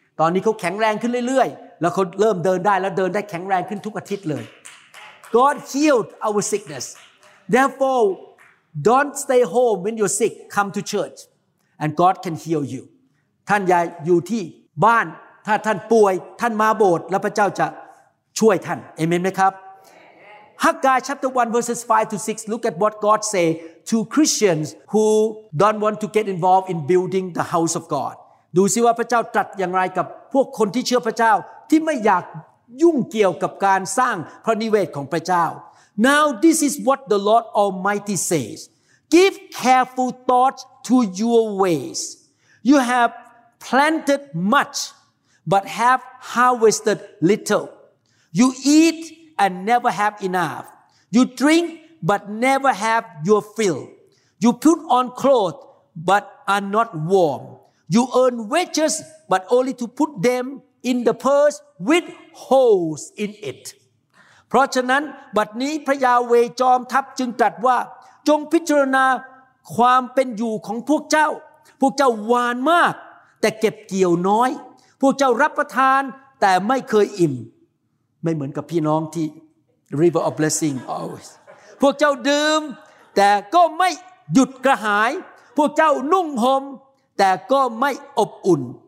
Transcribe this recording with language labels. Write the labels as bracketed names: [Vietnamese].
[Thai] ตอนนี้เขาแข็งแรงขึ้นเรื่อยๆแล้วเขาเริ่มเดินได้แล้วเดินได้แข็งแรงขึ้นทุกอาทิตย์เลย [English] God healed our sickness. Therefore, don't stay home when you're sick. Come to church, and God can heal you. [Thai] ท่านอย่าอยู่ที่บ้านถ้าท่านป่วยท่านมาโบสถ์แล้วพระเจ้าจะช่วยท่านเอเมนไหมครับ [English] ฮักกาย chapter 1 verses 5 to 6 look at what God say to Christians who don't want to get involved in building the house of God [Thai] ดูสิว่าพระเจ้าตรัสอย่างไรกับพวกคนที่เชื่อพระเจ้าที่ไม่อยากยุ่งเกี่ยวกับการสร้างพระนิเวศของพระเจ้า [English] Now this is what the Lord Almighty says Give careful thought to your ways You have planted muchBut have harvested little. You eat and never have enough. You drink but never have your fill. You put on clothes but are not warm. You earn wages but only to put them in the purse with holes in it. [Thai] เพราะฉะนั้นบัดนี้พระยาเวจอมทัพจึงตรัสว่าจงพิจารณาความเป็นอยู่ของพวกเจ้าพวกเจ้าหวานมากแต่เก็บเกี่ยวน้อยพวกเจ้ารับประทานแต่ไม่เคยอิ่ม ไม่เหมือนกับพี่น้องที่ River of Blessing always พวกเจ้าดื่มแต่ก็ไม่หยุดกระหายพวกเจ้านุ่งห่มแต่ก็ไม่อบอุ่น